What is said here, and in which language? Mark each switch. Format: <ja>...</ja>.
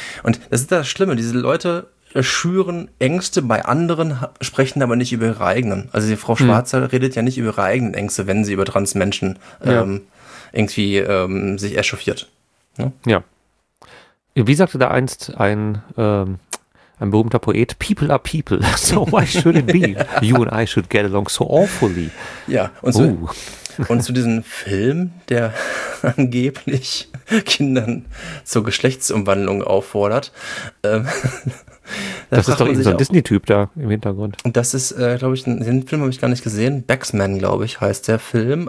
<de>Und das ist das Schlimme, diese Leute schüren Ängste bei anderen, sprechen aber nicht über ihre eigenen. Also die Frau Schwarzer redet ja nicht über ihre eigenen Ängste, wenn sie über Transmenschen irgendwie sich echauffiert. Ne? Ja. Wie sagte da einst ein berühmter Poet,</de> <en>people are people, so why should it be? You and I should get along so awfully.</en> <de>Ja, und so. Und zu diesem Film, der angeblich Kindern zur Geschlechtsumwandlung auffordert. Das ist doch so ein Disney-Typ da im Hintergrund. Und das ist, glaube ich, den Film habe ich gar nicht gesehen. Baxman, glaube ich, heißt der Film.</de>